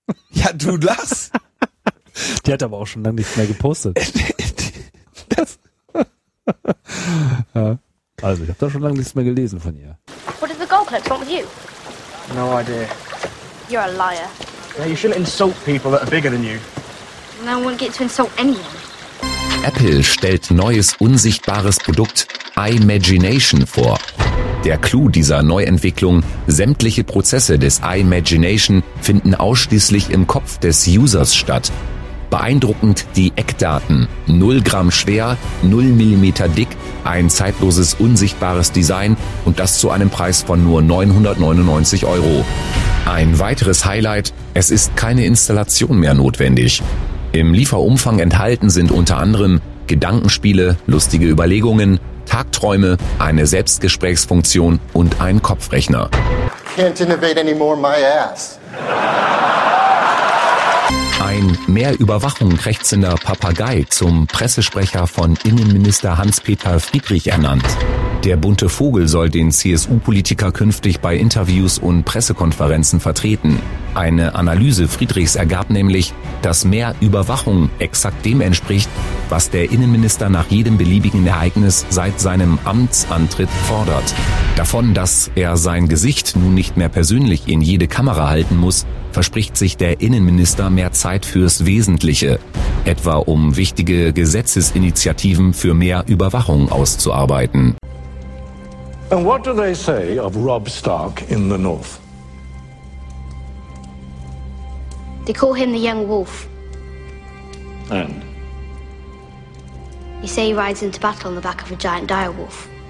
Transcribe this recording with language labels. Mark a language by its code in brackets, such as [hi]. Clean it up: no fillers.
[de] Ja, du lass! Die hat aber auch schon lange nicht mehr gepostet. Das. Ja. Also, ich habe da schon lange nichts mehr gelesen von ihr. [en] What is the goal clip? What with you? No idea. You're a liar. Yeah, you shouldn't insult people that are bigger than you. No one gets to insult anyone. [de] Apple stellt neues unsichtbares Produkt iMagination vor. Der Clou dieser Neuentwicklung: sämtliche Prozesse des iMagination finden ausschließlich im Kopf des Users statt. Beeindruckend die Eckdaten. 0 Gramm schwer, 0 Millimeter dick, ein zeitloses, unsichtbares Design und das zu einem Preis von nur 999 Euro. Ein weiteres Highlight: es ist keine Installation mehr notwendig. Im Lieferumfang enthalten sind unter anderem Gedankenspiele, lustige Überlegungen, Tagträume, eine Selbstgesprächsfunktion und ein Kopfrechner. [en] Can't innovate anymore, my ass. [de] Ein mehr Überwachung krächzender Papagei zum Pressesprecher von Innenminister Hans-Peter Friedrich ernannt. Der bunte Vogel soll den CSU-Politiker künftig bei Interviews und Pressekonferenzen vertreten. Eine Analyse Friedrichs ergab nämlich, dass mehr Überwachung exakt dem entspricht, was der Innenminister nach jedem beliebigen Ereignis seit seinem Amtsantritt fordert. Davon, dass er sein Gesicht nun nicht mehr persönlich in jede Kamera halten muss, verspricht sich der Innenminister mehr Zeit fürs Wesentliche, etwa um wichtige Gesetzesinitiativen für mehr Überwachung auszuarbeiten. [en] And what do they say of Rob Stark in the North? They call him the young wolf. And? They say he rides into battle on the back of a giant direwolf.